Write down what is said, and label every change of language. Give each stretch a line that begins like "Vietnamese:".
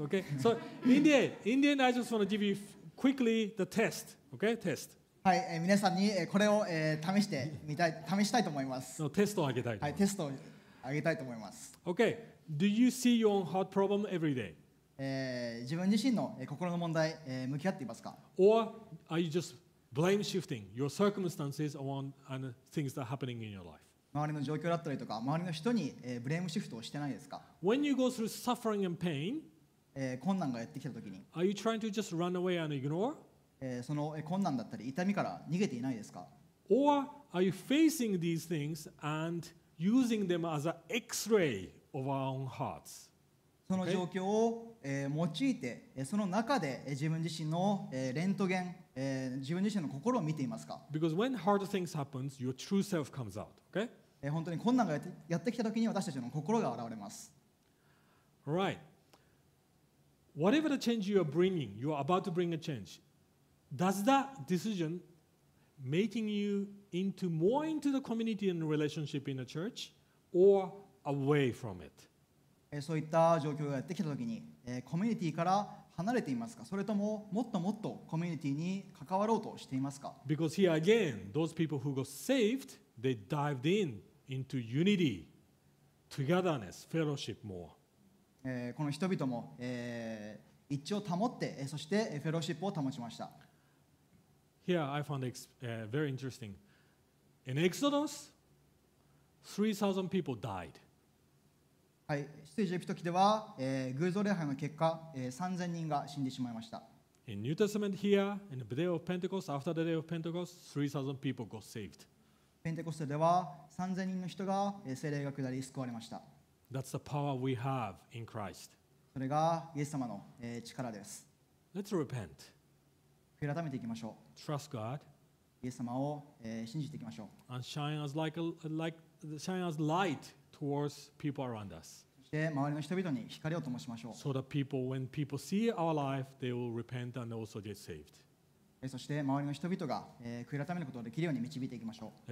English: Okay, so in the end, I just want to give you quickly the test. Okay, test.
Japanese: はい、皆さんにこれを試したいと思います。テストをあげたいと思います。はい、テストをあげたいと思います。
English: Okay, do you see your own heart problem every day?
Japanese: 自分自身の心の問題、向き合っていますか?
English: Or are you just blame shifting your circumstances on and things that are happening in your life?
Japanese: 周りの状況だったりとか、周りの人に、ブレームシフトをしてないですか?
English: When you go through suffering and pain,
Japanese: 困難がやってきたときに、
English: are you trying to just run away and ignore?
Japanese: その困難だったり痛みから逃げていないですか?
English: Or are you facing these things and using them as an X-ray of our own hearts?
Japanese: その状況を、用いて、その中で自分自身の、レントゲン、自分自身の心を見ていますか?
English: Because when hard things happen, your true self comes out. Okay?
Japanese: 本当に困難がやってきた時に私たちの心が現れます。
English: Right. Whatever the change you are bringing, you are about to bring a change. Does that decision making you into more into the community and relationship in the church or away from it?
Japanese: そういった状況がやってきたときに、コミュニティから離れていますか? それとももっともっとコミュニティに関わろうとしていますか?
English: Because here again, those people who got saved, they dived in into unity, togetherness, fellowship more.
Japanese: この人々も、一致を保って、そしてフェローシップを保ちました。
English: Here I found it very interesting. In Exodus, 3,000 people died.
Japanese: はい、出エジプト記では、偶像礼拝の結果、3,000 人が死んでしまいました。
English: In New Testament here, in the day of Pentecost, after the day of Pentecost, 3,000 people got saved.
Japanese: ペンテコステでは3,000人の人が聖霊が下り救われました。
English: That's the power we have in Christ.
Japanese: それがイエス様の力です。
English: Let's repent.
Japanese: 悔い改めていきましょう。
English: Trust God.
Japanese: イエス様を信じていきましょう。
English: And shine as shine as light towards people around us.
Japanese: そして周りの人々に光を灯しましょう。
English: So that people, when people see our life, they will repent and also get saved.
Japanese: そして周りの人々が悔い改めることができるように導いていきましょう。